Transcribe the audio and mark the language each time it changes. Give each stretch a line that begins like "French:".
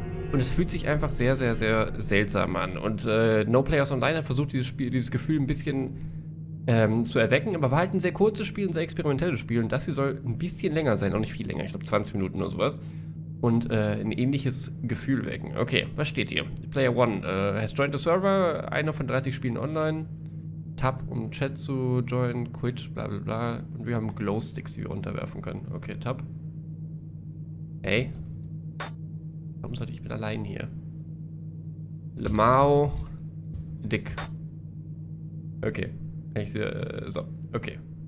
German: Und es fühlt sich einfach sehr, sehr, sehr seltsam an. Und No Players Online hat versucht, dieses Spiel, dieses Gefühl ein bisschen zu erwecken. Aber war halt ein sehr kurzes Spiel, ein sehr experimentelles Spiel. Und das hier soll ein bisschen länger sein, auch nicht viel länger. Ich glaube 20 Minuten oder sowas. Und ein ähnliches Gefühl wecken. Okay, was steht hier?
English: Player One has joined the server.
German: Einer von 30 Spielen online. Tab, um Chat zu joinen. Quit, bla bla bla. Und wir haben Glowsticks, die wir runterwerfen können. Okay, Tab. Hey. Warum sollte ich mit allein hier? Lmao. Dick. Okay. Ich sehe. So. Okay.